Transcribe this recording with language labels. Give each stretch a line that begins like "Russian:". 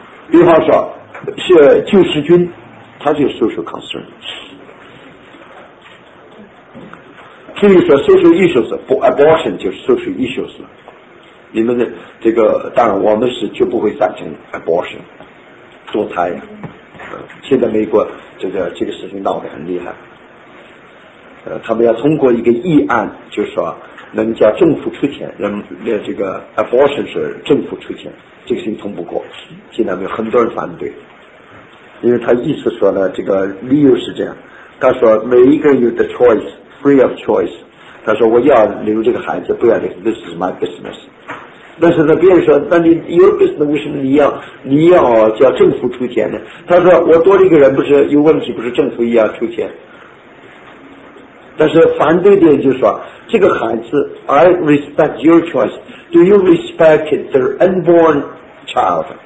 Chinese: 比方说是救世军，他就是
English: social concern。
Chinese: 譬如说
English: social issues，
Chinese: abortion 就是 social issues。你们的这个当然我们是就不会赞成 abortion 堕胎，现在美国这个事情闹得很厉害，他们要通过一个议案，就是说能叫政府出钱，人那这个 abortion 是政府出钱，这个事情通不过，现在有很多人反对，因为他意思说呢，这个理由是这样，他说每一个人有
English: the choice， free of choice，
Chinese: 他说我要留这个孩子，不要留，
English: this is my business。
Chinese: 但是呢别人说，那你
English: your business
Chinese: 为什么你要叫政府出钱呢？他说我多了一个人不是有问题，不是政府也要出钱。但是反对的人就说，这个孩子
English: I respect your choice， Do you respect their unborn child?